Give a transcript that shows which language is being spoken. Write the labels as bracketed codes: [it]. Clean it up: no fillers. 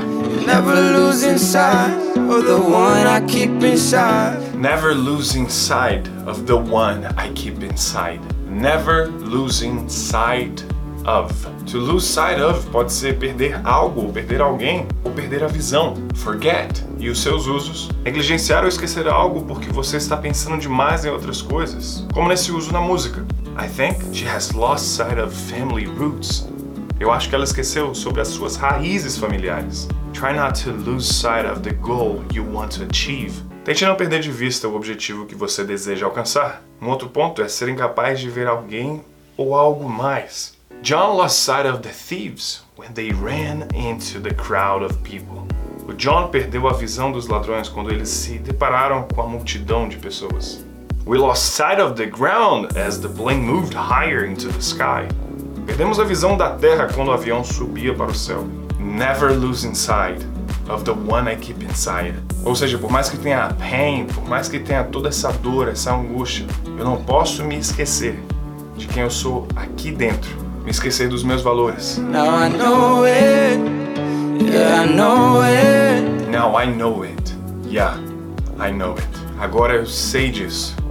[en] Never lose inside of the one I keep inside. Never lose inside of the one I keep inside. Never losing sight of. [pt] To lose sight of pode ser perder algo, perder alguém, ou perder a visão. Forget. E os seus usos. Negligenciar ou esquecer algo porque você está pensando demais em outras coisas. Como nesse uso na música. [en] I think she has lost sight of family roots. [pt] Eu acho que ela esqueceu sobre as suas raízes familiares. [en] Try not to lose sight of the goal you want to achieve. [pt] Tente não perder de vista o objetivo que você deseja alcançar. Um outro ponto é ser incapaz de ver alguém ou algo mais. [en] John lost sight of the thieves when they ran into the crowd of people. [pt] O John perdeu a visão dos ladrões quando eles se depararam com a multidão de pessoas. [en] We lost sight of the ground as the plane moved higher into the sky. [pt] Perdemos a visão da terra quando o avião subia para o céu. [en] Never losing sight of the one I keep inside. [pt] Ou seja, por mais que tenha pain, por mais que tenha toda essa dor, essa angústia, eu não posso me esquecer de quem eu sou aqui dentro. Me esquecer dos meus valores. [en] Now I know it. Yeah, I know it. Now I know it. Yeah, I know it. [pt] Agora eu sei disso.